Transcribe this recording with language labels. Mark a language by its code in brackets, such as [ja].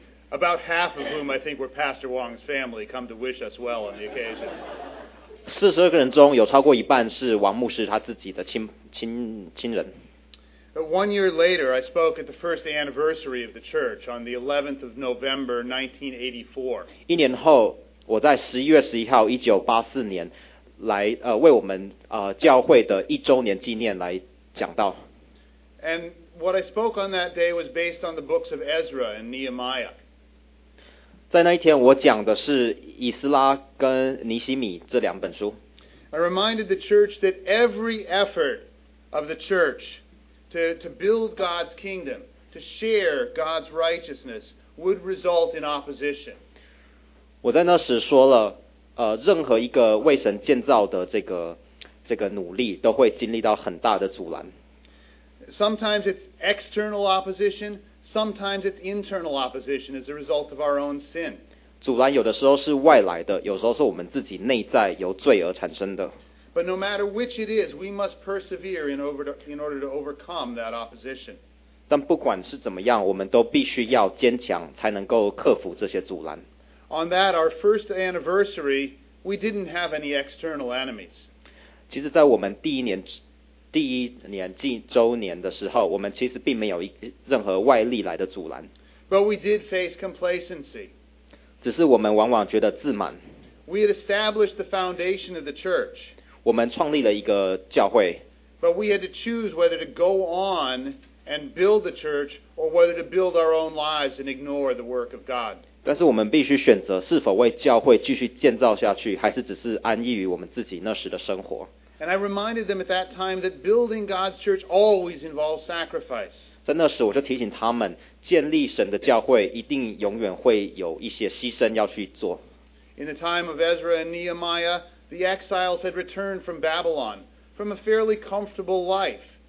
[en] About half of whom I think were Pastor Wong's family come to wish us well on the occasion. [zh] 42个人中有超过一半是王牧师他自己的亲人。 [en] But one year later, I spoke at the first anniversary of the church on the 11th of November, 1984. [zh] 一年后，我在11月11号，1984年，来为我们教会的一周年纪念来讲道。 [en] And what I spoke on that day was based on the books of Ezra and Nehemiah. [zh] 在那一天，我讲的是以斯拉跟尼希米这两本书。 [en] I reminded the church that every effort of the church to build God's kingdom, to share God's righteousness, would result in opposition. [zh] 我在那时说了，任何一个为神建造的这个努力，都会经历到很大的阻拦。 [en] Sometimes it's external opposition, Sometimes it's internal opposition as a result of our own sin. [zh] 阻拦有的时候是外来的，有时候是我们自己内在由罪而产生的。 [en] But no matter which it is, we must persevere in order to overcome that opposition. [zh] 但不管是怎么样，我们都必须要坚强，才能够克服这些阻拦。 [en] On that, our first anniversary, we didn't have any external enemies. [zh] 其实在我们第一年纪周年的时候，我们其实并没有任何外力来的阻拦。 [en] But we did face complacency. [zh] 只是我们往往觉得自满。 [en] We had established the foundation of the church. [zh] 我们创立了一个教会。 [en] But we had to choose whether to go on and build the church or whether to build our own lives and ignore the work of God. [zh] 但是我们必须选择是否为教会继续建造下去，还是只是安逸于我们自己那时的生活。 [en] And I reminded them at that time that building God's church always involves sacrifice. [zh] 在那时我就提醒他们，建立神的教会一定永远会有一些牺牲要去做。 [en] In the time of Ezra and Nehemiah, the exiles had returned from Babylon from a fairly comfortable life.